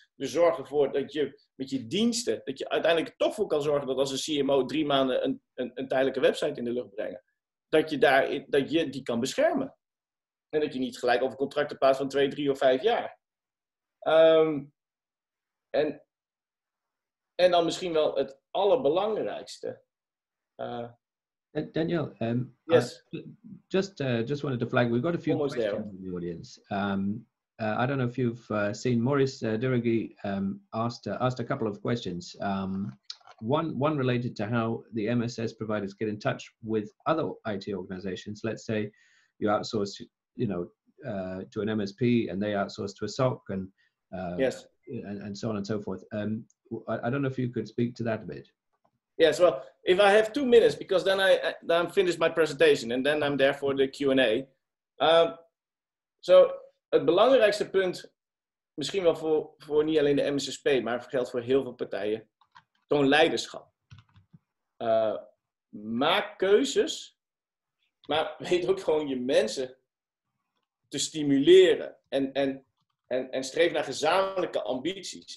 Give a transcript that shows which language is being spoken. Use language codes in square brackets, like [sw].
[nl] Dus zorg ervoor dat je met je diensten, dat je uiteindelijk toch voor kan zorgen dat als een CMO 3 maanden een tijdelijke website in de lucht brengt, dat je die kan beschermen. En dat je niet gelijk over contracten plaatst van 2, 3 of 5 jaar. En dan misschien wel het allerbelangrijkste. [en] Daniel, yes. I just wanted to flag, we've got a few almost questions there in the audience. I don't know if you've seen Maurice Derrigui asked a couple of questions. One related to how the MSS providers get in touch with other IT organizations. Let's say you outsource, you know, to an MSP and they outsource to a SOC and so on and so forth. I don't know if you could speak to that a bit. Yes, well, if I have 2 minutes, because then I'm finished my presentation and then I'm there for the Q&A. [nl] So het belangrijkste punt, misschien wel voor niet alleen de MSSP, maar geldt voor heel veel partijen, toon leiderschap. Maak keuzes, maar weet ook gewoon je mensen te stimuleren en streef naar gezamenlijke ambities.